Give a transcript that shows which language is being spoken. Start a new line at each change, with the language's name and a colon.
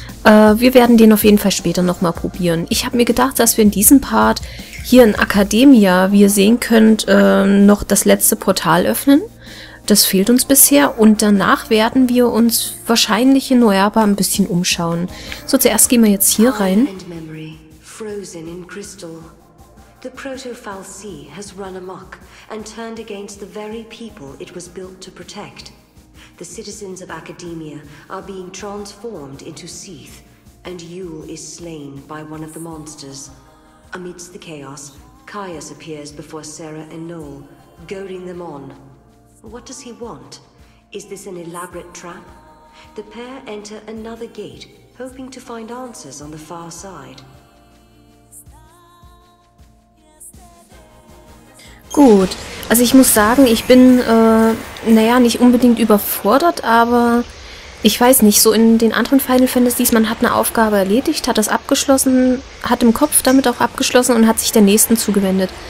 German: Wir werden den auf jeden Fall später nochmal probieren. Ich habe mir gedacht, dass wir in diesem Part hier in Academia, wie ihr sehen könnt, noch das letzte Portal öffnen. Das fehlt uns bisher und danach werden wir uns wahrscheinlich in Noerba ein bisschen umschauen. So, zuerst gehen wir jetzt hier rein.
English: Time and memory, frozen in crystal. The Proto-Falci has run amok and turned against the very people it was built to protect. The citizens of Academia are being transformed into Seeth, and Yule is slain by one of the monsters. Amidst the chaos, Caius appears before Sarah and Noel, goading them on. What does he want? Is this an elaborate trap? The pair enter another gate, hoping to find answers on the far side.
German: Gut, also ich muss sagen, ich bin, nicht unbedingt überfordert, aber ich weiß nicht, so in den anderen Final Fantasies, man hat eine Aufgabe erledigt, hat das abgeschlossen, hat im Kopf damit auch abgeschlossen und hat sich der nächsten zugewendet.